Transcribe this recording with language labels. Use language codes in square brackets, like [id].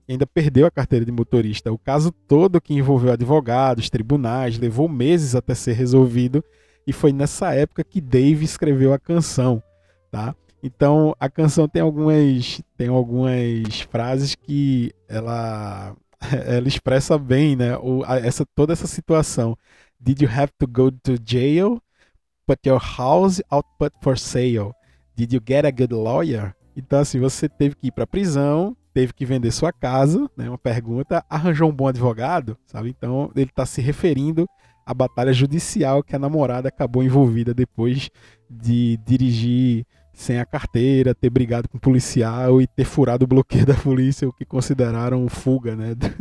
[pt] E ainda perdeu a carteira de motorista. O caso todo que envolveu advogados, tribunais, levou meses até ser resolvido. E foi nessa época que Dave escreveu a canção, tá? Então, a canção tem algumas frases que ela expressa bem, né? Toda essa situação. [en] Did you have to go to jail? Put your house out put for sale. Did you get a good lawyer? [pt] Então, assim, você teve que ir para prisão, teve que vender sua casa, né? Uma pergunta. Arranjou um bom advogado, sabe? Então, ele está se referindo à batalha judicial que a namorada acabou envolvida depois de dirigir sem a carteira, ter brigado com o policial e ter furado o bloqueio da polícia, o que consideraram fuga, né?